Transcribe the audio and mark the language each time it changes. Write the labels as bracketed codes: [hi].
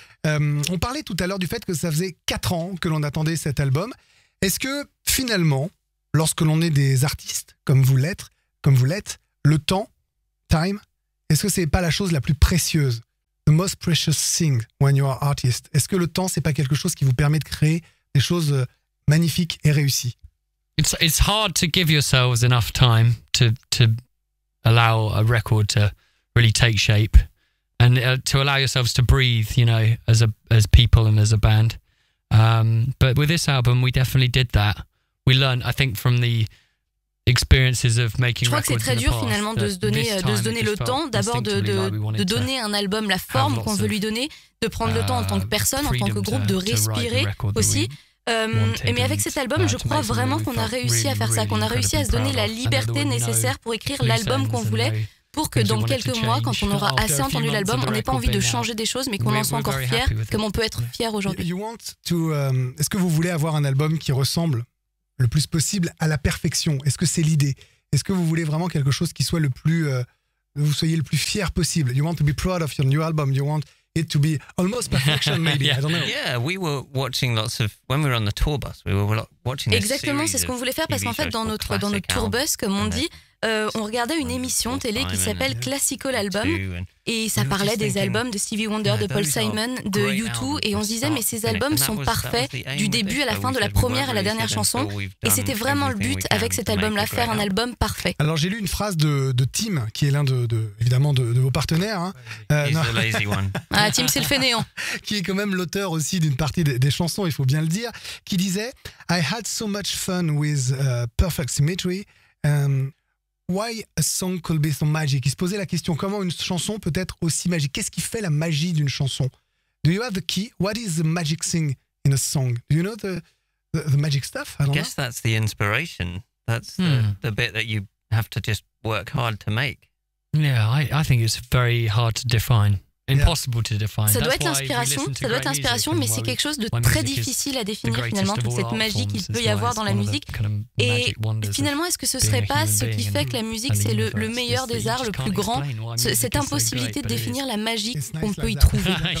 [fr] On parlait tout à l'heure du fait que ça faisait 4 ans que l'on attendait cet album. Est-ce que, finalement, lorsque l'on est des artistes, comme vous l'êtes, le temps, time, est-ce que ce n'est pas la chose la plus précieuse? [en] The most precious thing when you are artist. [fr] Est-ce que le temps, ce n'est pas quelque chose qui vous permet de créer des choses magnifiques et réussies? [en] It's hard to give yourselves enough time to allow a record to really take shape. And to allow yourselves to breathe, you know, as people and as a band. But with this album, we definitely did that. We learned, I think, from the experiences of making. [fr] Je crois que c'est très dur finalement de se donner le temps, d'abord de donner un album la forme qu'on veut lui donner, de prendre le temps en tant que personne, en tant que groupe, de respirer aussi. Mais avec cet album, je crois vraiment qu'on a réussi à faire ça, qu'on a réussi à se donner la liberté nécessaire pour écrire l'album qu'on voulait. pour que dans quelques mois, quand on aura assez entendu l'album, on n'ait pas envie de changer des choses, mais qu'on en soit encore fier, comme on peut être fier aujourd'hui. Est-ce que vous voulez avoir un album qui ressemble le plus possible à la perfection? Est-ce que c'est l'idée? Est-ce que vous voulez vraiment quelque chose qui soit le plus... vous soyez le plus fier possible? [en] You want to be proud of your new album? You want it to be almost perfection, maybe? Yeah. I don't know. Yeah, we were watching lots of... When we were on the tour bus, we were watching... [fr] Exactement, c'est ce qu'on voulait faire, parce qu'en fait, dans notre tour bus, comme on dit... on regardait une émission télé qui s'appelle Classical Album et ça parlait des albums de Stevie Wonder, de Paul Simon, de U2 et on se disait mais ces albums sont parfaits du début à la fin, de la première à la dernière chanson, et c'était vraiment le but avec cet album-là, faire un album parfait. Alors j'ai lu une phrase de Tim qui est l'un de vos partenaires, hein. Tim c'est le fainéant qui est quand même l'auteur aussi d'une partie des chansons, il faut bien le dire, qui disait [en] I had so much fun with Perfect Symmetry, why a song could be so magic? [fr] Il se posait la question, comment une chanson peut être aussi magique? Qu'est-ce qui fait la magie d'une chanson? [en] Do you have the key? What is the magic thing in a song? Do you know the magic stuff? I guess that's the inspiration. That's the bit that you have to just work hard to make. Yeah, I think it's very hard to define. Impossible to define. [fr] Ça doit être l'inspiration, mais c'est quelque chose de très difficile à définir finalement, toute cette magie qu'il peut y avoir dans la musique. Et finalement, est-ce que ce serait pas ce qui fait que la musique, c'est le meilleur des arts, le plus grand, cette impossibilité de définir la magie qu'on peut y trouver?